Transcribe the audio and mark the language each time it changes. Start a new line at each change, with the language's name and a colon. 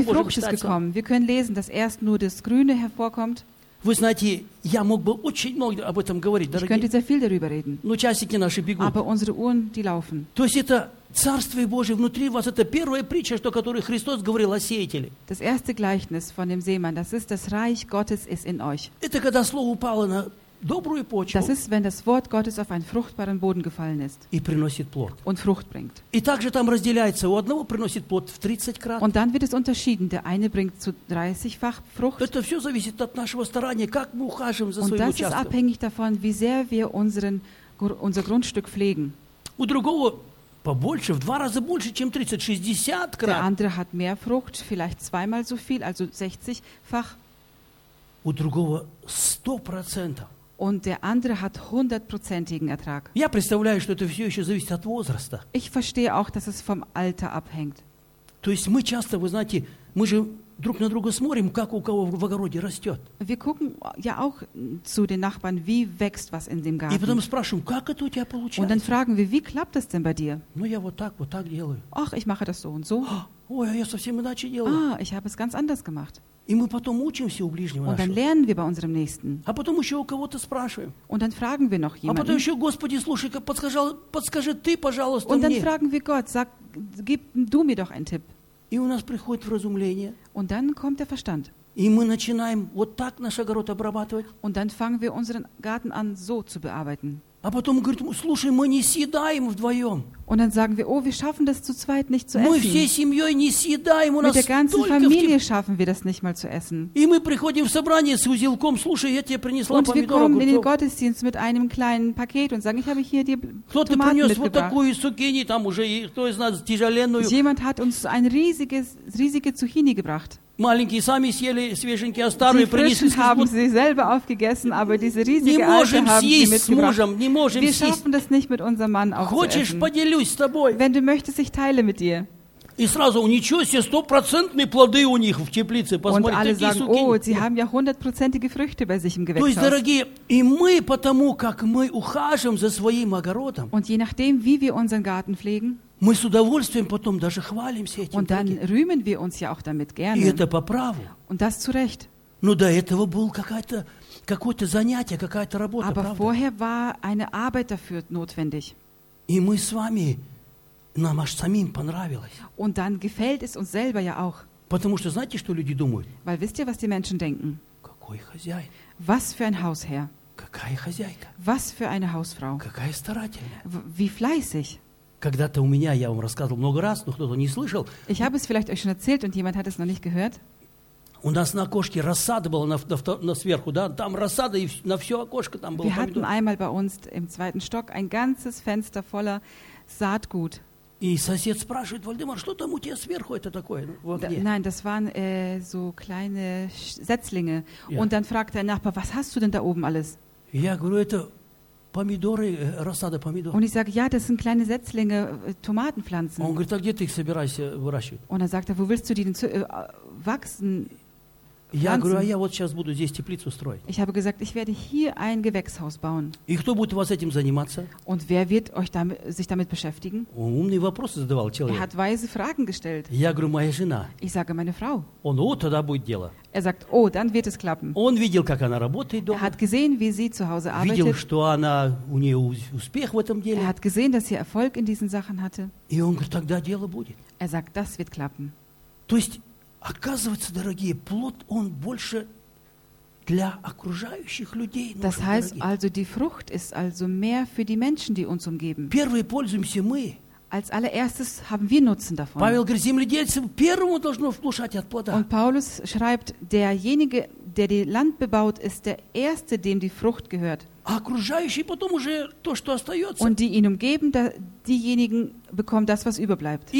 German: Und Frucht ist gekommen. Wir können lesen, dass erst nur das Grüne hervorkommt.
Russian: Вы знаете, я мог бы очень много об этом говорить, дорогие.
German: Ich könnte sehr viel darüber reden.
Russian: Но часики наши бегут.
German: Aber unsere Uhren, die laufen.
Russian: То есть это Царствие Божие внутри вас. Это первая притча, что которую Христос говорил о сеятеле.
German: Das erste Gleichnis von dem Seemann, das ist das Reich Gottes ist in euch.
Russian: Это когда слово упало на добрую почву.
German: Das ist, wenn das Wort Gottes auf einen fruchtbaren Boden gefallen ist.
Russian: И приносит плод.
German: Und Frucht bringt.
Russian: И также там разделяется. У одного приносит плод в 30 крат.
German: Und dann wird es unterschieden. Der eine bringt zu 30-fach Frucht.
Russian: Это все зависит от нашего старания, как мы ухаживаем за своим участком.
German: Und das ist abhängig davon, wie sehr wir unser Grundstück pflegen.
Russian: У другого побольше, в два раза больше, чем 30, 60 крат.
German: Der andere hat mehr Frucht, vielleicht zweimal so viel, also 60-fach.
Russian: У другого 100%.
German: Und der andere hat 100%igen Ertrag.
Russian: Я представляю, что это все еще зависит от возраста.
German: Ich verstehe auch, dass es vom Alter abhängt.
Russian: То есть мы часто, вы знаете, мы же друг на друга смотрим, как у кого в огороде растет.
German: Wir gucken ja auch zu den Nachbarn, wie wächst was in dem Garten.
Russian: И потом спрашиваем, как это у тебя получается?
German: Und dann fragen wir, wie klappt das denn bei dir?
Russian: Ну я вот так делаю.
German: Ach, ich mache das so und so.
Russian: Ой, я совсем иначе делаю.
German: Ah, ich habe es ganz anders gemacht.
Russian: И мы потом учимся у ближнего
German: Und dann
Russian: нашего.
German: Lernen wir bei unserem Nächsten.
Russian: А потом еще у кого-то спрашиваем.
German: Und dann fragen wir noch jemanden.
Russian: А потом еще, Господи, слушай, подскажи ты, пожалуйста,
German: Und
Russian: мне.
German: Dann fragen wir Gott, sag, gib du mir doch einen Tipp.
Russian: И у нас приходит вразумление.
German: Und dann kommt der Verstand.
Russian: И мы начинаем вот так наш огород обрабатывать.
German: Und dann fangen wir unseren Garten an, so zu bearbeiten.
Russian: А потом говорит, слушай, мы не съедаем вдвоем.
German: Und dann sagen wir, oh, wir schaffen das zu zweit nicht zu essen.
Russian: Мы всей семьей не съедаем.
German: Mit der ganzen Familie schaffen wir das nicht mal zu essen.
Russian: И мы приходим в собрание с узелком, слушай, я тебе принесла помидоры.
German: Und wir kommen in den Gottesdienst mit einem kleinen Paket und sagen, ich habe hier dir
Russian: Томаты
German: mitgebracht.
Russian: Кто-то принес вот такую цукини, там уже кто из нас тяжеленную.
German: Jemand hat uns ein riesige Zucchini gebracht.
Russian: Маленькие сами съели, свеженькие, а старые принесли.
German: Die haben sie selber aufgegessen, aber diese riesige alte haben sie mitgebracht.
Russian: Не можем съесть с мужем, не можем съесть.
German: Wir schaffen das nicht mit unserem Mann aufzuessen.
Russian: Хочешь, поделюсь с тобой.
German: Wenn du möchtest, ich teile mit dir.
Russian: И сразу, ничего себе, 100% плоды у них в теплице. Посмотри,
German: und alle
Russian: такие
German: sagen, oh, sie haben ja 100%ige Früchte bei sich im Gewächshaus.
Russian: То есть, дорогие, и мы потому, как мы ухаживаем за своим огородом.
German: Und je nachdem, wie wir unseren Garten pflegen.
Russian: Мы с удовольствием потом даже хвалимся этим.
German: Und dann rühmen wir uns ja auch damit gerne.
Russian: И это по праву.
German: Und das zu Recht.
Russian: Но до этого был какое-то занятие, какая-то работа,
German: aber
Russian: правда?
German: Vorher war eine Arbeit dafür notwendig.
Russian: И мы с вами, нам аж самим понравилось.
German: Und dann gefällt es uns selber ja auch.
Russian: Потому что знаете, что люди думают?
German: Weil wisst ihr, was die Menschen denken?
Russian: Какой хозяин?
German: Was für ein Hausherr?
Russian: Какая хозяйка?
German: Was für eine Hausfrau?
Russian: Какая старательная?
German: Wie fleißig?
Russian: Когда-то у меня, я вам рассказывал много раз, но кто-то не слышал.
German: Ich habe es vielleicht euch schon erzählt und jemand hat es noch nicht gehört.
Russian: У нас на окошке рассада была на сверху, да? Там рассада и на все окошко там было.
German: Wir hatten einmal bei uns im zweiten Stock ein ganzes Fenster voller Saatgut.
Russian: И сосед спрашивает: Вальдемар, что там у тебя сверху это такое?
German: Nein, das waren so kleine Setzlinge. Yeah. Und dann fragt der Nachbar: Was hast du denn da oben alles?
Russian: Я говорю, это помидоры, рассада помидор.
German: Und ich sage, ja, das sind kleine Setzlinge, Tomatenpflanzen.
Russian: Он говорит, а где ты их собираешься выращивать?
German: Und er sagt, wo willst du die denn wachsen?
Russian: Я говорю, а я вот сейчас буду здесь теплицу строить.
German: Ich habe gesagt, ich werde hier ein Gewächshaus bauen.
Russian: И кто будет вас этим заниматься?
German: Und wer wird euch sich damit beschäftigen?
Russian: Он умные вопросы задавал человек.
German: Er hat weise Fragen gestellt.
Russian: Я говорю, моя жена.
German: Ich sage, meine Frau.
Russian: Он, о, тогда будет дело.
German: Er sagt, oh, dann wird es klappen.
Russian: Он видел, как она работает дома.
German: Er hat gesehen, wie sie zu Hause arbeitet.
Russian: Видел, что она, у нее успех в этом деле.
German: Er hat gesehen, dass sie Erfolg in diesen Sachen hatte.
Russian: И он говорит, тогда дело будет.
German: Er sagt, das wird klappen.
Russian: То есть, оказывается, дорогие, плод он больше для окружающих людей. Нужен,
German: das heißt,
Russian: дорогие.
German: Also die Frucht ist also mehr für die Menschen, die uns umgeben.
Russian: Первые пользуемся мы.
German: Als allererstes haben wir Nutzen davon.
Russian: Павел говорит, земледельцам первому должно вкушать от плода.
German: Und Paulus schreibt, derjenige, der die Land bebaut, ist der erste, dem die Frucht gehört.
Russian: А окружающие потом уже то, что остается.
German: Und die ihn umgeben, diejenigen bekommen das, was überbleibt.